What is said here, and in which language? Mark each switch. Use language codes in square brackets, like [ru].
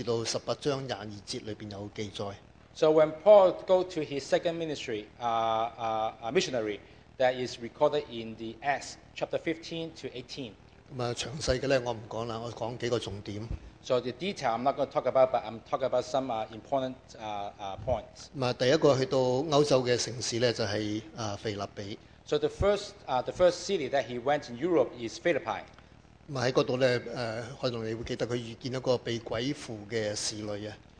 [zh] 咁啊，保羅嘅第二個宣教旅程咧，就喺《使徒行傳》嘅15:36至18:22裏邊有記載。 [en] So when Paul go to his second ministry, missionary, that is recorded in the Acts chapter 15-18. [zh] 咁啊，詳細嘅咧我唔講啦，我講幾個重點。 [en] So the detail I'm not going to talk about, but I'm talking about some important points. [zh] 咁啊，第一個去到歐洲嘅城市咧就係腓立比。 [en] So the first city that he went in Europe is Philippi. [zh] 咁啊喺嗰度咧，可能你會記得佢遇見一個被鬼附嘅侍女啊。